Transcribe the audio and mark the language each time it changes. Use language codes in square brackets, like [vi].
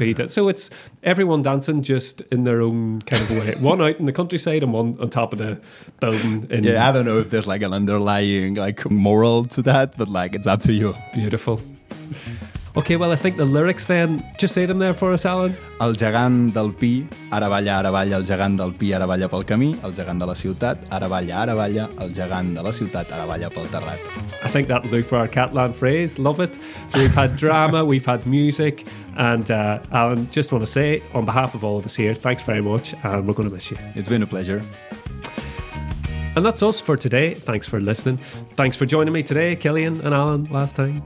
[en] So it's everyone dancing just in their own kind of way. One out in the countryside and one on top of the building. Yeah, I don't know if there's like an underlying like moral to that, but like it's up to you. Beautiful. Okay, well, I think the lyrics then, just say them there for us, Alan. [ca] El gegant del Pi, ara balla, el gegant del Pi, ara balla pel camí, el gegant de la ciutat, ara balla, el gegant de la ciutat, ara balla pel terrat. [en] I think that'll do for our Catalan phrase, love it. So we've had drama, we've had music, and Alan, just want to say, on behalf of all of us here, thanks very much, and we're going to miss you. It's been a pleasure. And that's us for today. Thanks for listening. Thanks for joining me today, Killian and Alan, last time.